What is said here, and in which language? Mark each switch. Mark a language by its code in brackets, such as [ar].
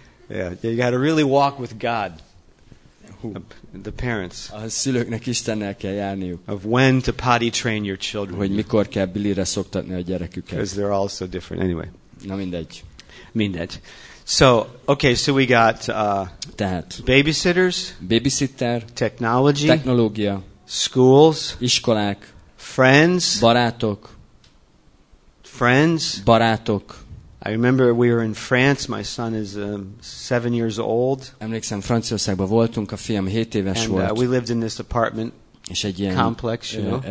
[en] yeah, you got to really walk with God. The parents. [hu] A szülőknek Istennel kell járniuk. [en] Of when to potty train your children. [hu] Hogy mikor kell bilire szoktatni a gyereküket. [en] Because they're all so different. Anyway. [hu] Na mindegy. Mindegy. [en] So, okay, so we got that. Babysitters. [hu] Babysitter. [en] Technology. [hu] Technológia. [en] Schools. [hu] Iskolák. [en] Friends. [hu] Barátok. [en] Friends. [hu] Barátok. [en] I remember we were in France. My son is 7 years old. [hu] Emlékszem, Franciaországban voltunk, a fiam 7 éves volt. [en] And we lived in this apartment complex, you know.